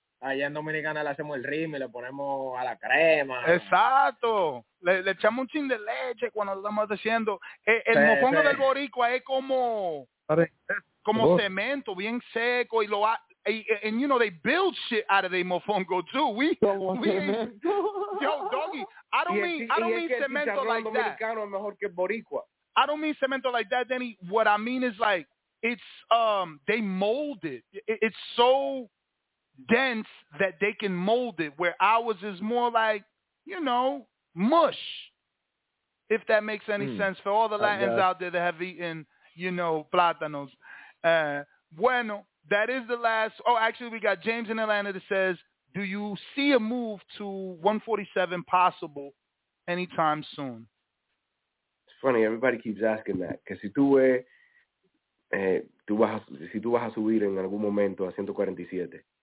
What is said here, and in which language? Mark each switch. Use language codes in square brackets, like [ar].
[es] Allá en Dominicana le hacemos el ritmo y le ponemos a la crema. Exacto. Le echamos un chin de leche cuando lo estamos haciendo. El mofongo del boricua es como cemento, bien seco. Y lo [en] and you know, they build shit out of their mofongo, too. I don't mean cemento like that, Danny. What I mean is, like, it's they mold it. It's so dense that they can mold it, where ours is more like, you know, mush, if that makes any sense for all the Latins out there that have eaten, you know, plátanos. Bueno, that is the last. Oh, actually, we got James in Atlanta that says, do you see a move to 147 possible anytime soon? It's funny. Everybody keeps asking that. [es] Que si tú ves, si tú vas a subir en algún momento a 147.